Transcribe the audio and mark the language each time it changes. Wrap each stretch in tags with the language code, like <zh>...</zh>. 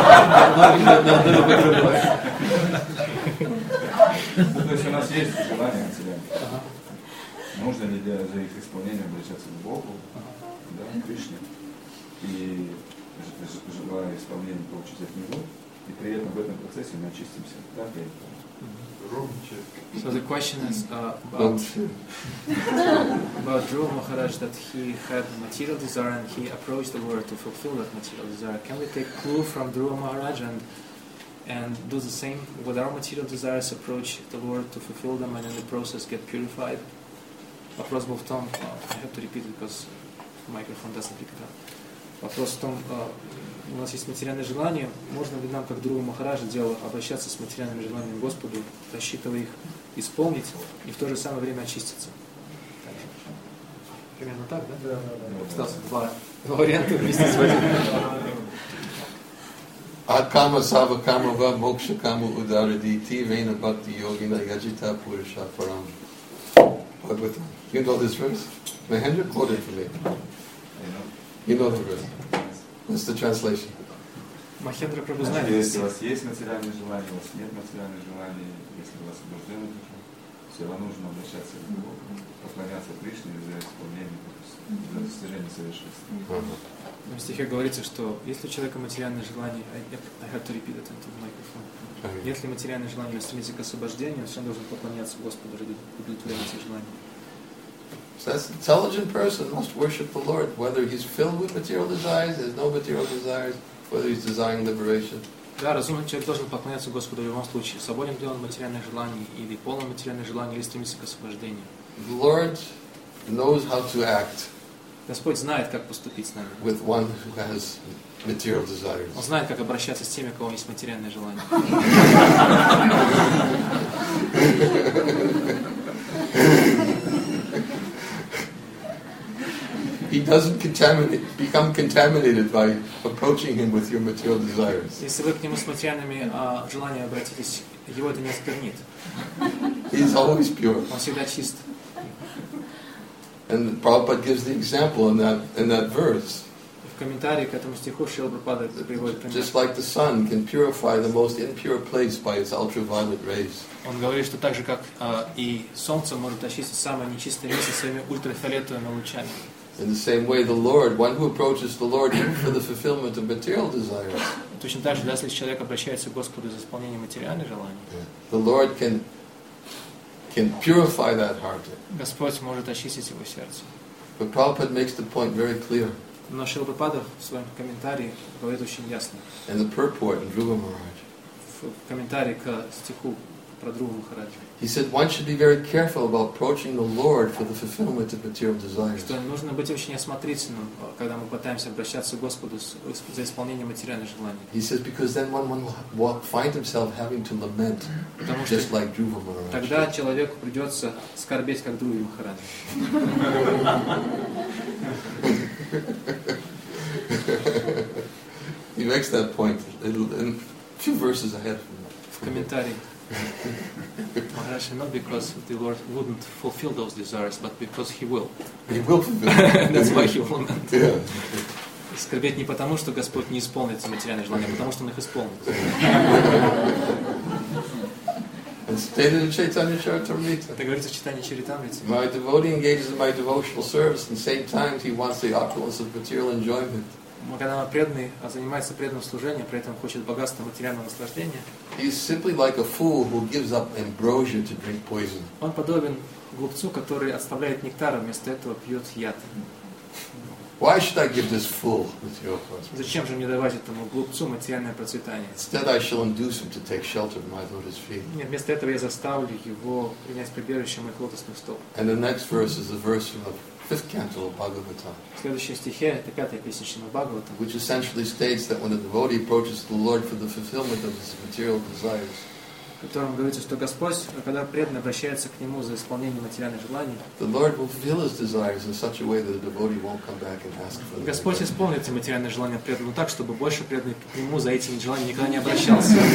<ru>Ну, то есть у нас есть желания от себя. Нужно ли для их исполнения обращаться к Богу, да, к Кришне, и желая исполнения получить от Него, и при этом в этом процессе мы очистимся. Да,</ru> <en>So the question is about Dhruva Maharaj, that he had material desire and he approached the world to fulfill that material desire. Can we take clue from Dhruva Maharaj and do the same with our material desires, approach the world to fulfill them and in the process get purified?</en> <ru>Вопрос был в том,</ru> <en>I have to repeat it because the microphone doesn't pick it up.</en> <ru>Вопрос в том, у нас есть материальное желание, можно ли нам, как Дхрува Махараджа, дело обращаться с материальным желанием Господу, рассчитывая их исполнить и в то же самое время очиститься? Примерно так, да? Да. Осталось два варианта вместе с вами.</ru> <sa>Акама сава кама ва мокша кама удара дити вейна бхакти йогина яджита пуриша парам.</sa> <en>Бхагаватам. You know this verse? Mahendra quoted for me. You know the verse. What's the translation?</en> <ru>Махендра Прабху знает. Если у вас есть материальное желание, у вас нет материального желания, если у вас освобождены душа, все равно нужно обращаться к Богу, поклоняться Кришне за исполнение, за достижение совершенства. В стихе говорится, что если у человека материальное желание,</ru> <en>I have to repeat it into the microphone.</en> <ru>Если материальное желание стремится к освобождению, он должен поклоняться Господу ради удовлетворения желания.</ru> <en>So that's an intelligent person must worship the Lord, whether he's filled with material desires, there's no material desires, whether he's desiring liberation.</en> <ru>Да, разумный человек должен поклоняться Господу в любом случае, свободен ли он материальное желание или полное материальное желание или стремится к освобождению.</ru> <en>The Lord knows how to act.</en> <ru>Господь знает, как поступить с нами.</ru> <en>With one who has material desires.</en> <ru>Он знает, как обращаться с теми, у кого есть материальное желание.</ru> <en>He doesn't become contaminated by approaching him with your material desires.</en> <ru>Если вы к нему с материальными желаниями обратитесь, его это не осквернит.</ru> <en>He's always pure.</en> <ru>Он всегда чист.</ru> <en>And Prabhupada gives the example in that verse.</en> <ru>В комментарии к этому стиху Шрила Прабхупада приводит пример.</ru> <en>Just like the sun can purify the most impure place by its ultraviolet rays.</en> <ru>Он говорит, что так же как и солнце может очистить самое нечистое место своими ультрафиолетовыми лучами.</ru> <en>In the same way, the Lord, one who approaches the Lord even for the fulfillment of material desires,</en> <ru>точно так же, если человек обращается к Господу за исполнение материальных желаний,</ru> <en>the Lord can purify that heart.</en> <ru>Господь может очистить его сердце.</ru> <en>But Prabhupada makes the point very clear.</en> <ru>Но Шрила Прабхупада в своем комментарии говорит очень ясно.</ru> <en>In the purport in Dhruva Maharaj.</en> <ru>В комментарии к стиху про Дхруву Махараджа.</ru> <en>He said one should be very careful about approaching the Lord for the fulfillment of material desires.</en> <ru>Что нужно быть очень осмотрительным, когда мы пытаемся обращаться к Господу за исполнение материальных желаний.</ru> <en>He says because then one will find himself having to lament, just like Dhruva Maharaj.</en> <ru>Тогда человеку придется скорбеть, как Дхруве Махараджа.</ru> <en>He makes that point in a few verses ahead.</en> <ru>В комментарии.</ru> <en>Not because the Lord wouldn't fulfill those desires, but because He will. He will fulfill. That's why He will lament.</en> <ru>Скорбеть не потому, что Господь не исполнит материальные желания, а потому, что Он их исполнит.</ru> <en>Stated in Chaitanya Charitamrita.</en> <ru>Это говорится в Читании Чаритамрите.</ru> <en>My devotee engages in my devotional service, and at the same time he wants the opulence of material enjoyment.</en> <ru>Когда он преданный, а занимается преданным служением, при этом хочет богатства материального наслаждения.</ru> <en>He's simply like a fool who gives up ambrosia to drink poison.</en> <ru>Он подобен глупцу, который оставляет нектар, вместо этого пьет яд.</ru> <en>Why should I give this fool material prosperity?</en> <ru>Зачем же мне давать этому глупцу материальное процветание?</ru> <en>Instead, I shall induce him to take shelter at my lotus feet.</en> <ru>Нет, вместо этого я заставлю его принять прибежище моих лотосных стоп.</ru> <en>And the next verse is the verse of fifth canto of Bhagavatam.</en> <ru>Следующее стихе это пятая песня Шримад Бхагаватам.</ru> <en>Which essentially states that when a devotee approaches the Lord for the fulfillment of his material desires.</en> <ru>В котором говорится, что Господь, когда преданный обращается к Нему за исполнение материальных желаний,</ru> <en>the Lord will fulfill his desires in such a way that the devotee won't come back and ask for them.</en> <ru>Господь исполнит эти материальные желания преданного так, чтобы больше преданный к Нему за эти желания никогда не обращался.</ru>